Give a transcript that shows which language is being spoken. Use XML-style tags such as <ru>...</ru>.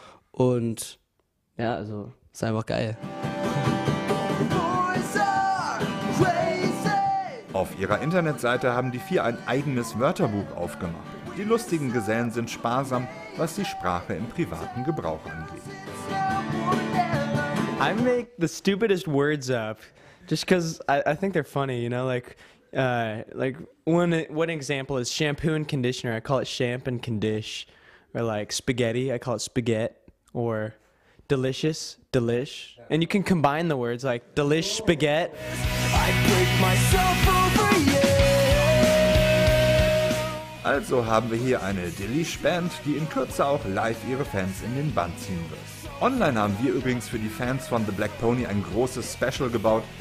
<de>Und ja, also ist einfach geil. Auf ihrer Internetseite haben die vier ein eigenes Wörterbuch aufgemacht. Die lustigen Gesellen sind sparsam, was die Sprache im privaten Gebrauch angeht.</de> <en>I make the stupidest words up, just because I think they're funny, you know, like one example is shampoo and conditioner, I call it champ and condish, or like spaghetti, I call it spaghetti, or delicious, delish, and you can combine the words like delish spaghetti. I break myself over you.</en> <de>Also haben wir hier eine Delish-Band, die in Kürze auch live ihre Fans in den Bann ziehen wird. Online haben wir übrigens für die Fans von The Black Pony ein großes Special gebaut.</de>